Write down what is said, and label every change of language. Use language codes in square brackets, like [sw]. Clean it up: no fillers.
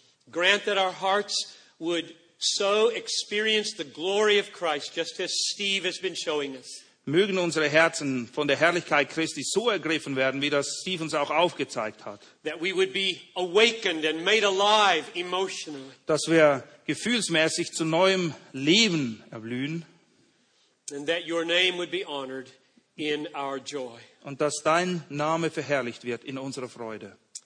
[en] Grant that our hearts would so experience the glory of Christ, just as Steve has been showing us. [de] Mögen unsere Herzen von der Herrlichkeit Christi so ergriffen werden, wie das Steve uns auch aufgezeigt hat. [en] That we would be awakened and made alive emotionally. [de] Dass wir gefühlsmäßig zu neuem Leben erblühen. [en] And that your name would be honored in our joy. [de] Und dass dein Name verherrlicht wird in unserer Freude.